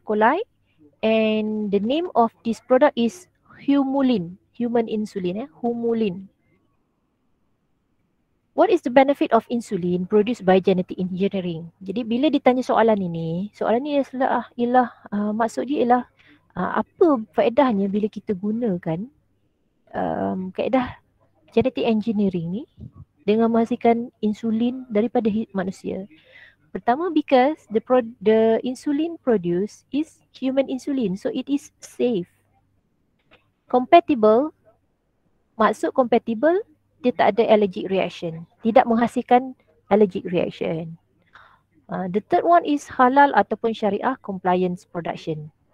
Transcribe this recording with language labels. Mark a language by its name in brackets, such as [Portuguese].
[English] coli, and the name of this product is Humulin, human insulin, Humulin. What is the benefit of insulin produced by genetic engineering? [Malay] Jadi bila ditanya soalan ini ialah maksudnya ialah apa faedahnya bila kita gunakan kaedah genetic engineering ni dengan menghasilkan insulin daripada manusia. [English] Pertama, because the insulin produced is human insulin, so it is safe. [Malay] Compatible, maksud compatible, dia tak ada allergic reaction. Tidak menghasilkan allergic reaction. [English] The third one is halal ataupun syariah compliance production.